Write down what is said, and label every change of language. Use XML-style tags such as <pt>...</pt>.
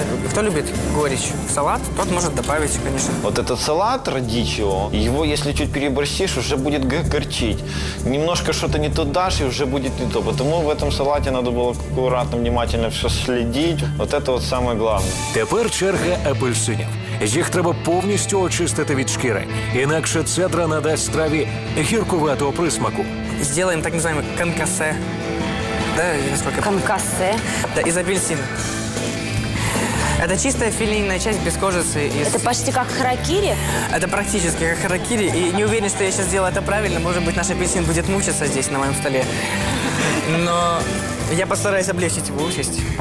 <ru>Кто любит горечь в салат, тот может добавить, конечно. Вот этот салат радичо, его если чуть переборщишь, уже будет горчить. Немножко что-то не то дашь, и уже будет не то. Потому в этом салате надо было аккуратно, внимательно все следить. Вот это вот самое главное.</ru> <uk>Тепер черга апельсинів. Їх треба повністю очистити від шкіри. Інакше цедра надасть страві гіркуватого присмаку.</uk> <ru>Сделаем так называемое конкассе. Да, насколько я помню. Конкассе. Да, из апельсина. Это чистая филейная часть без кожицы. Это почти как харакири? Это практически как харакири. И не уверен, что я сейчас сделаю это правильно. Может быть, наш апельсин будет мучиться здесь, на моем столе. Но я постараюсь облегчить его участь.</ru>